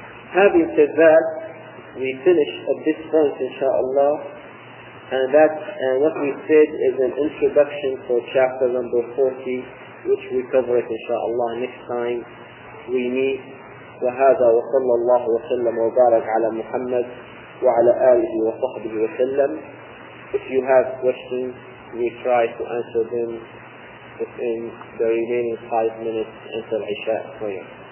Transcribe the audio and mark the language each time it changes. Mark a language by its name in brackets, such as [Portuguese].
[English] Having said that, we finish at this point, inshaAllah, and that, what we said is an introduction for chapter number 40, which we cover it, inshaAllah, next time we meet. [Arabic] وهذا وصلى الله وسلم وبارك على محمد وعلى آله وصحبه وسلم. [English] If you have questions, we try to answer them within the remaining 5 minutes until Isha prayer.